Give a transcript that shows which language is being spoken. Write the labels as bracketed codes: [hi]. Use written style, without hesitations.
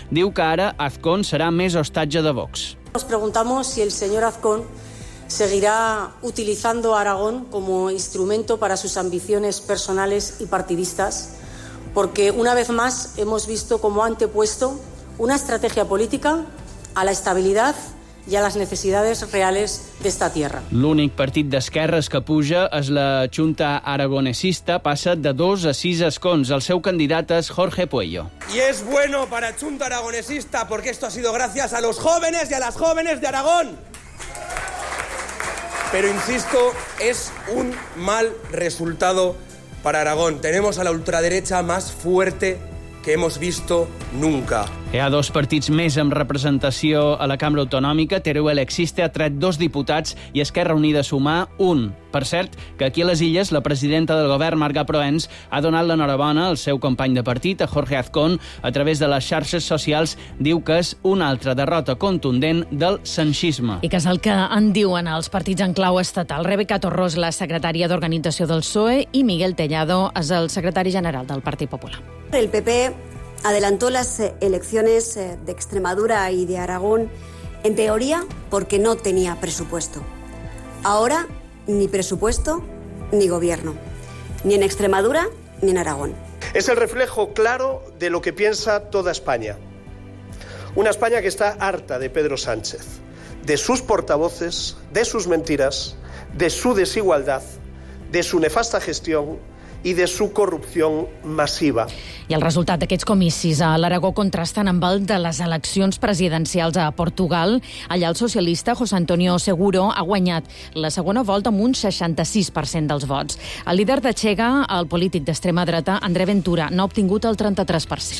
[ca] Diu que ara Azcón serà més hostatge de Vox. [es] Nos preguntamos si el señor Azcón seguirá utilizando Aragón como instrumento para sus ambiciones personales y partidistas, porque una vez más hemos visto cómo ha antepuesto una estrategia política a la estabilidad y a las necesidades reales de esta tierra. [ca] L'únic partit d'esquerres que puja és la Junta Aragonesista, passa de 2 a 6 escons. El seu candidat és Jorge Pueyo. [es] Y es bueno para Junta Aragonesista porque esto ha sido gracias a los jóvenes y a las jóvenes de Aragón. Pero insisto, es un mal resultado para Aragón. Tenemos a la ultraderecha más fuerte que hemos visto nunca. [ca] Hi ha 2 partits més amb representació a la Cambra Autonòmica. Teruel Existe ha tret 2 diputats i Esquerra Unida sumar 1. Per cert, que aquí a les Illes, la presidenta del govern, Marga Proens, ha donat l'enhorabona al seu company de partit, a Jorge Azcón, a través de les xarxes socials, diu que és una altra derrota contundent del sanxisme. I que és el que en diuen els partits en clau estatal. Rebeca Torrós, la secretària d'Organització del PSOE, i Miguel Tellado és el secretari general del Partit Popular. [es] El PP adelantó las elecciones de Extremadura y de Aragón, en teoría, porque no tenía presupuesto. Ahora, ni presupuesto, ni gobierno. Ni en Extremadura, ni en Aragón. Es el reflejo claro de lo que piensa toda España. Una España que está harta de Pedro Sánchez, de sus portavoces, de sus mentiras, de su desigualdad, de su nefasta gestión i de su corrupción masiva. [ca] I el resultat d'aquests comicis a l'Aragó contrasten amb el de les eleccions presidencials a Portugal. Allà el socialista José Antonio Seguro ha guanyat la segona volta amb un 66% dels vots. El líder de Chega, el polític d'extrema dreta, André Ventura, n'ha obtingut el 33%.